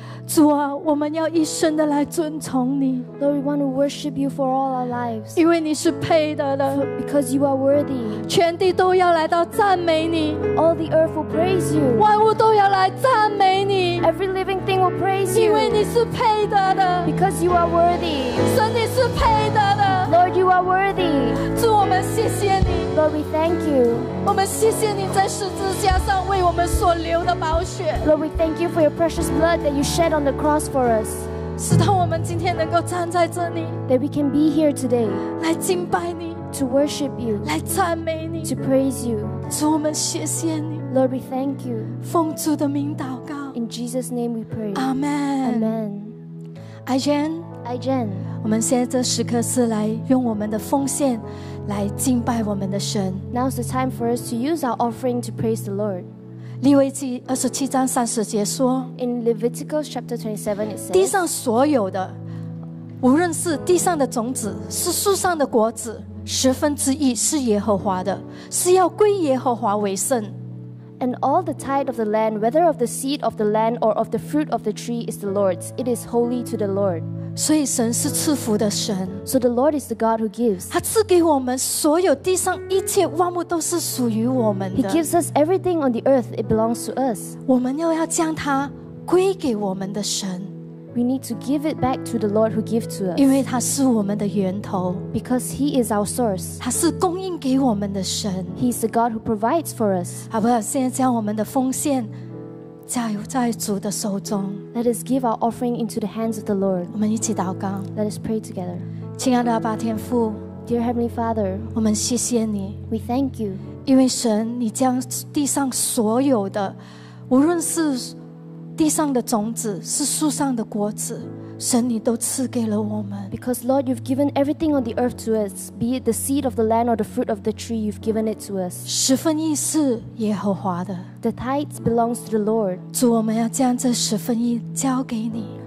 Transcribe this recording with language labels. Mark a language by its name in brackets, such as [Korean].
[Chinese] 主啊，我们要一生的来尊崇你， [English] Lord we want to worship you for all our lives， [Chinese] 因为你是配得的， [English] Because you are worthy， [Chinese] 全地都要来到赞美你， [English] All the earth will praise you， [Chinese] 万物都要来赞美你， [English] Every living thing will praise you， [Chinese] 因为你是配得的， [English] Because you are worthy， [Chinese] 神你是配得的， [English] Lord you are worthy， [Chinese] 主我们谢谢你， [English] Lord we thank you， [Chinese] 我们谢谢你在十字架上为我们所流的宝血， [English] Lord we thank you for your precious blood that you shed on the cross for us， [Chinese] 使得我们今天能够站在这里， [English] That we can be here today， [Chinese] 来敬拜你， [English] To worship you， [Chinese] 来赞美你， [English] To praise you， [Chinese] 主我们谢谢你， [English] Lord we thank you， [Chinese] 奉主的名祷告， [English] In Jesus' name we pray. Amen. Amen. Ai-Jen. [Chinese] 我们现在这时刻是来用我们的奉献来敬拜我们的神。 [English] Now's the time for us to use our offering to praise the Lord. [Chinese] 利未记二十七章三十节说 [English] ，In Leviticus chapter 27 it says, [Chinese] 地上所有的，无论是地上的种子，是树上的果子，十分之一是耶和华的，是要归耶和华为圣。 [English] And all the tithe of the land, whether of the seed of the land or of the fruit of the tree, is the Lord's. It is holy to the Lord. [Chinese] 所以神是赐福的神。 [English] So the Lord is the God who gives. [Chinese] 他赐给我们所有地上一切万物都是属于我们的。 [English] He gives us everything on the earth. It belongs to us. [Chinese] 我们又要将它归给我们的神。 [English] We need to give it back to the Lord who gives to us. [Chinese] 因为他是我们的源头。 [English] Because he is our source. [Chinese] 他是供应给我们的神。 [English] He is the God who provides for us. [Chinese] 好不好？现在将我们的奉献交在主的手中。 [English] Let us give our offering into the hands of the Lord. [Chinese] 我们一起祷告。 [English] Let us pray together. [Chinese] 亲爱的阿爸天父。 [English] Dear Heavenly Father. [Chinese] 我们谢谢你。 [English] We thank you. [Chinese] 因为神，你将地上所有的，无论是地上的种子是树上的果子，神你都赐给了我们。 [English] Because Lord, you've given everything on the earth to us, be it the seed of the land or the fruit of the tree, you've given it to us. [Chinese] 十分一是耶和华的。 [English] The tithe belongs to the Lord. [Chinese] 主，我们要将这十分一交给你。